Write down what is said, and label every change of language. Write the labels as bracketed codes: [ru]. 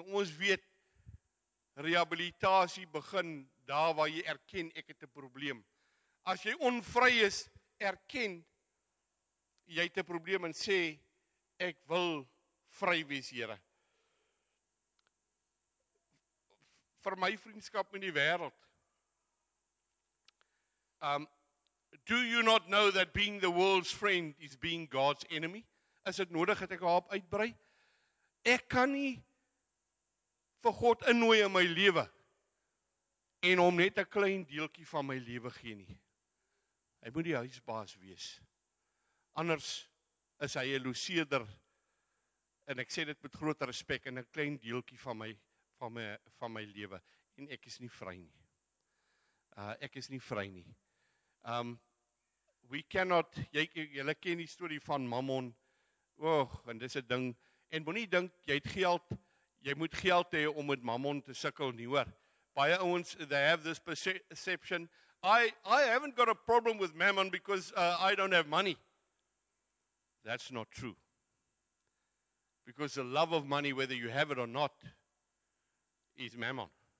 [af] Ons weet, rehabilitasie begin daar waar jy erken ek het 'n probleem. As jy onvry is, erken jy het 'n probleem en sê ek wil vry wees, Here. Vir my vriendskap met die wêreld. [en] Do you not know that being the world's friend is being God's enemy? [af] Is dit nodig dat ek haar uitbrei? Ek kan nie vir God innooi in my lewe en hom net 'n klein deeltjie van my lewe gee nie. Hy moet die huisbaas wees. Anders is hy 'n loseerder en ek sê dit met groot respek en 'n klein deeltjie van my lewe en ek is nie vry nie. [en] We cannot [af] julle ken die storie van Mammon. En dis 'n ding en moenie dink jy het geld, jy moet geld hê om met Mammon te sukkel nie hoor. Baie ouens [en] they have this perception I haven't got a problem with Mammon because I don't have money. That's not true. Because the love of money, whether you have it or not, is Mammon.